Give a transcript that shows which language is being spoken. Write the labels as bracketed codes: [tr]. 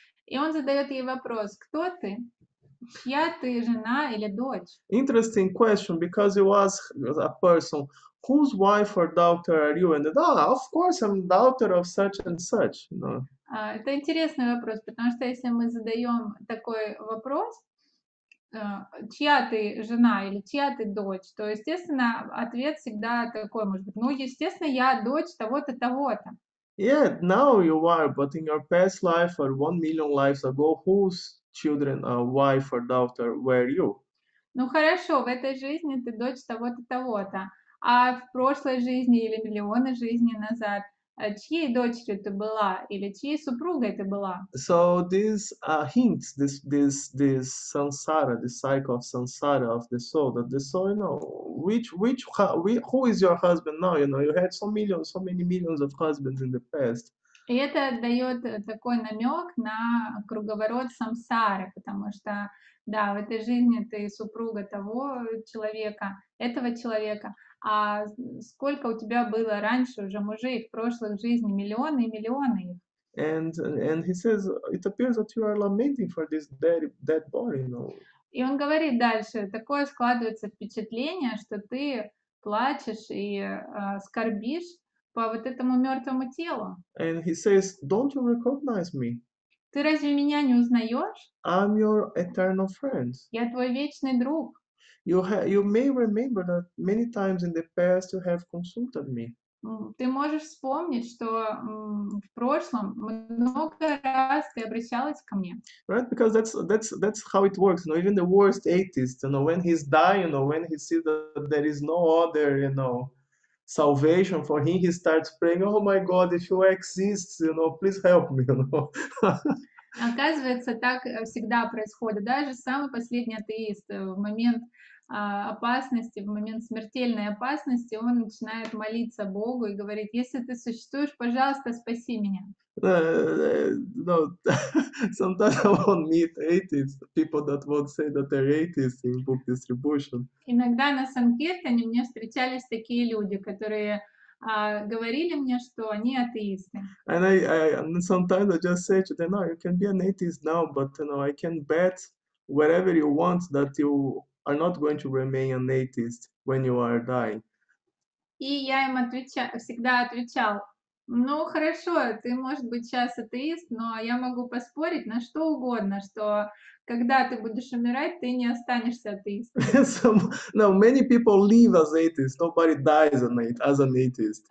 [ru] И он задает ей вопрос: кто ты? Чья ты жена или дочь? [en] Interesting question, because you ask a person, whose wife or daughter are you? And they, oh, of course, I'm daughter of such and such. No. [ru] Это интересный вопрос, потому что если мы задаем такой вопрос, чья ты жена или чья ты дочь, то, естественно, ответ всегда такой может быть. Ну, естественно, я дочь того-то, того-то. [en] Yeah, now you are, but in your past life or 1 million lives ago, whose children, wife or daughter were you? [ru] Ну, хорошо, в этой жизни ты дочь того-то, того-то. А в прошлой жизни или миллионы жизней назад, чьей дочерью ты была или чьей супругой ты была? [en] So this hint, this samsara, this cycle of samsara of the soul, that the soul, you know, who is your husband now? You know, you had so many millions of husbands in the past. [ru] И это дает такой намек на круговорот самсары, потому что да, в этой жизни ты супруга того человека, этого человека. А сколько у тебя было раньше уже мужей в прошлых жизнях? Миллионы и миллионы их. [en] And he says, it appears that you are lamenting for this dead body, you know. [ru] И он говорит дальше, такое складывается впечатление, что ты плачешь и скорбишь по вот этому мертвому телу. [en] And he says, don't you recognize me? [ru] Ты разве меня не узнаешь? [en] I'm your eternal friend. [ru] Я твой вечный друг. [en] You may remember that many times in the past you have consulted me. [ru] Ты можешь вспомнить, что в прошлом много раз ты обращалась ко мне. [en] Right, because that's how it works. You know, even the worst atheist, you know, when he's dying, you know, when he sees that there is no other, you know, salvation for him, he starts praying, oh my God, if you exist, you know, please help me, you know. [ru] Оказывается, так всегда происходит. Даже самый последний атеист в момент опасности, в момент смертельной опасности, он начинает молиться Богу и говорит: если ты существуешь, пожалуйста, спаси меня. [en] No, sometimes I won't meet atheists, people that won't say that they're atheists in book distribution. [ru] Иногда на Санкиртане мне встречались такие люди, которые говорили мне, что они атеисты. [en] And I sometimes I just say to them, no, you can be an atheist now, but you know, I can bet whatever you want that you are not going to remain an atheist when you are dying. [ru] И я им всегда отвечал, ну хорошо, ты может быть сейчас атеист, но я могу поспорить на что угодно, что когда ты будешь умирать, ты не останешься атеистом. [en] Many people live as atheists. Nobody dies as an atheist.